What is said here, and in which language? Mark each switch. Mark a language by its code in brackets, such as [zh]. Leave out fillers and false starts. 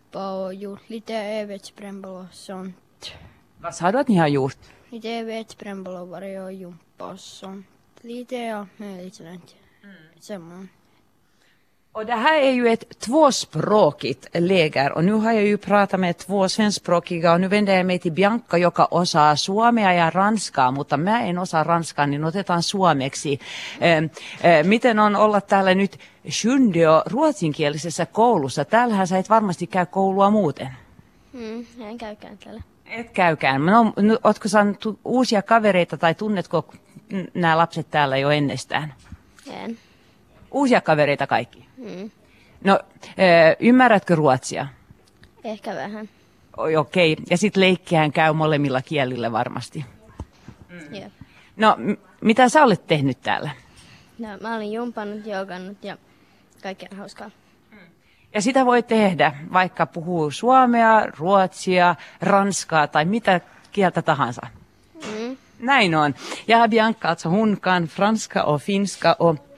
[sv] Och gjort lite övetsprämbel och sånt. Vad sa du att ni har gjort? Lite övetsprämbel och varje och jumpa och sånt. Lite ja, möjligt sånt. Och det här är ju ett tvåspråkigt läger. Och nu har jag ju pratat med två svenskspråkiga. Och nu vänder jag mig till Bianca, [fi] joka osaa suomea ja ranskaa. Mutta mä en osaa ranskaa, niin otetaan suomeksi. Miten on olla täällä nyt Sjundeå ruotsinkielisessä koulussa? Täällähän sä et varmasti käy koulua muuten. En käykään täällä. Et käykään. No, ootko saanut uusia kavereita tai tunnetko nämä lapset täällä jo ennestään? En. Uusia kavereita kaikki? No, ymmärrätkö ruotsia? Ehkä vähän. Oi, okei. Ja sitten leikkiä käy molemmilla kielillä varmasti. No, mitä sä olet tehnyt täällä? No, mä olin jumpannut, joogannut ja kaikkea hauskaa. Ja sitä voi tehdä, vaikka puhuu suomea, ruotsia, ranskaa tai mitä kieltä tahansa. Näin on. [sv] Ja Bianca, alltså hon kan franska och finska och...